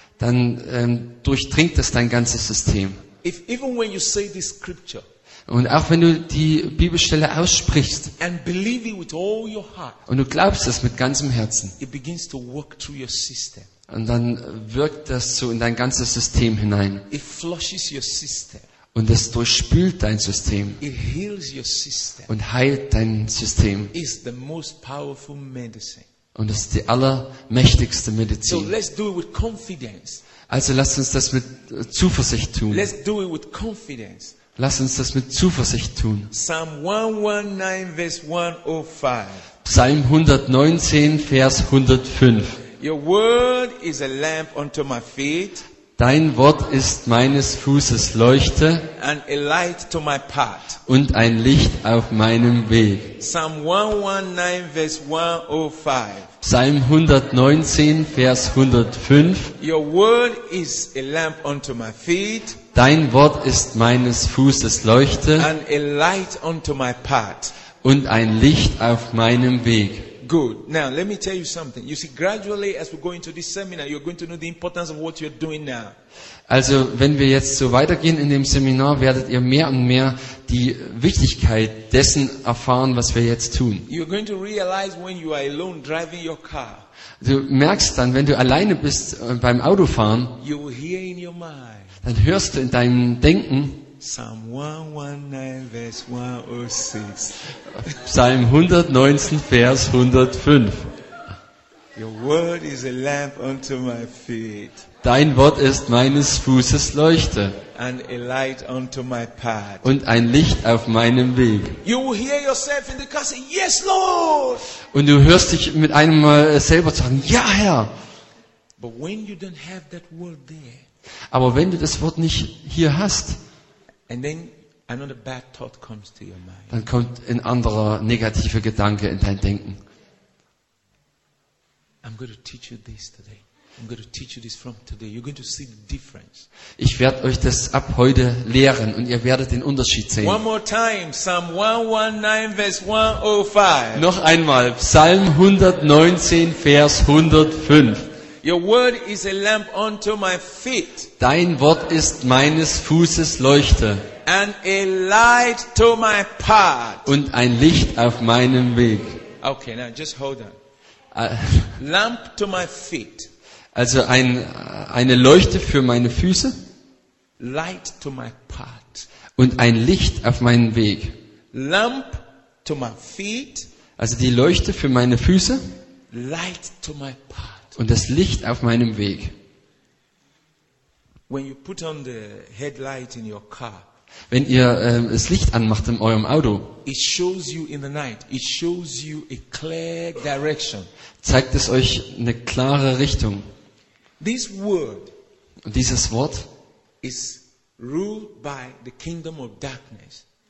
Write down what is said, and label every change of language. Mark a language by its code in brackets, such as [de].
[de] Dann durchdringt es dein ganzes System. [en] If even when you say this scripture. [de] Und auch wenn du die Bibelstelle aussprichst [en] and believe it with all your heart, [de] und du glaubst es mit ganzem Herzen, [en] it begins to work through your system. [de] Und dann wirkt das so in dein ganzes System hinein. [en] It flushes your system. [de] Und es durchspült dein System. [en] It heals your system. [de] Und heilt dein System. [en] It's the most powerful medicine. [de] Und es ist die allermächtigste Medizin. [en] So let's do it with confidence. [de] Also lasst uns das mit Zuversicht tun. [en] Let's do it with confidence. [de] Lass uns das mit Zuversicht tun. Psalm 119, Vers 105. Psalm 119, Vers 105. [en] Your word is a lamp unto my feet. [de] Dein Wort ist meines Fußes Leuchte. [en] And a light to my path. [de] Und ein Licht auf meinem Weg. Psalm 119, Vers 105. Psalm 119, Vers 105. [en] Your word is a lamp unto my feet. [de] Dein Wort ist meines Fußes Leuchte. [en] And a light unto my path. [de] Und ein Licht auf meinem Weg. [en] Good. Now let me tell you something. You see, gradually as we go into this seminar, you're going to know the importance of what you're doing now. [de] Also, wenn wir jetzt so weitergehen in dem Seminar, werdet ihr mehr und mehr die Wichtigkeit dessen erfahren, was wir jetzt tun. [en] You're going to realize when you are alone driving your car. [de] Du merkst dann, wenn du alleine bist beim Autofahren, [en] you will hear in your mind. [de] Dann hörst du in deinem Denken. Psalm 119, Vers 106. Psalm 119, Vers 105. [en] Your word is a lamp unto my feet. [de] Dein Wort ist meines Fußes Leuchte. [en] And a light unto my path. [de] Und ein Licht auf meinem Weg. [en] You will hear yourself in the car say, yes, Lord! [de] Und du hörst dich mit einem Mal selber sagen, ja, Herr. [en] But when you don't have that word there, [de] Aber wenn du das Wort nicht hier hast, [en] and then another bad thought comes to your mind. [de] Dann kommt ein anderer negativer Gedanke in dein Denken. [en] I'm going to teach you this today. I'm going to teach you this from today. You're going to see the difference. [de] Ich werde euch das ab heute lehren und ihr werdet den Unterschied sehen. [en] One more time, Psalm 119, verse 105. [de] Noch einmal, Psalm 119, Vers 105. [en] Your word is a lamp unto my feet. [de] Dein Wort ist meines Fußes Leuchte. [en] And a light to my path. [de] Und ein Licht auf meinem Weg. [en] Okay, now just hold on. Lamp to my feet. [de] Also eine Leuchte für meine Füße. [en] Light to my path. [de] Und ein Licht auf meinen Weg. [en] Lamp to my feet. [de] Also die Leuchte für meine Füße. [en] Light to my path. [de] Und das Licht auf meinem Weg. [en] When you put on the headlight in your car. [de] Wenn ihr das Licht anmacht in eurem Auto, [en] it shows you in the night. It shows you a clear direction. [de] Zeigt es euch eine klare Richtung. [en] This word, [de] und dieses Wort, [en] is ruled by the kingdom of darkness.